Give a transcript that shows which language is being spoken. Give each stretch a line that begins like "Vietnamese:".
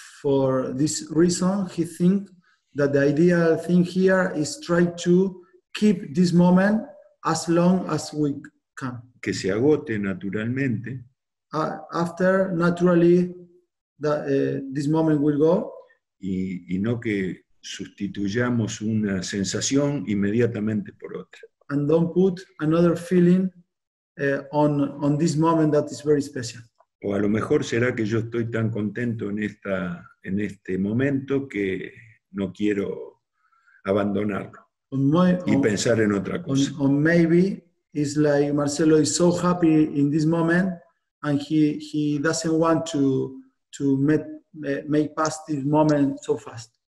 English: For this reason, he think that the ideal thing here is try to keep this moment as long as we can.
Spanish: Que se agote naturalmente.
English: After naturally that this moment will go.
Spanish: Y no que sustituyamos una sensación inmediatamente por otra.
English: And don't put another feeling on this moment that is very special.
Spanish: O a lo mejor será que yo estoy tan contento en este momento que no quiero abandonarlo y pensar en otra cosa.
English: Or maybe it's like Marcelo is so happy in this moment and he doesn't want to make past this moment so fast.